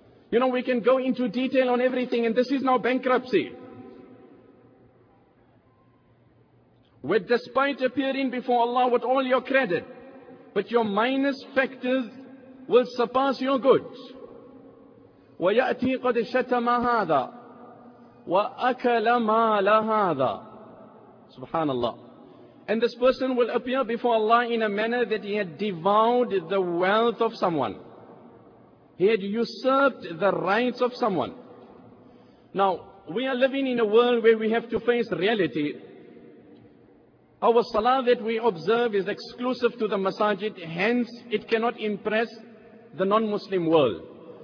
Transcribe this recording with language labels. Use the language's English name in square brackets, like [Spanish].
[English] You know, we can go into detail on everything, and this is now bankruptcy. Where despite appearing before Allah with all your credit, but your minus factors will surpass your goods. [Arabic] وَيَأْتِي قَدْ شَتَمَ هَذَا وَأَكَلَ مَالَ هَذَا Subhanallah. [English] And this person will appear before Allah in a manner that he had devoured the wealth of someone. He had usurped the rights of someone. Now, we are living in a world where we have to face reality. Our salah that we observe is exclusive to the masajid, hence it cannot impress the non-Muslim world.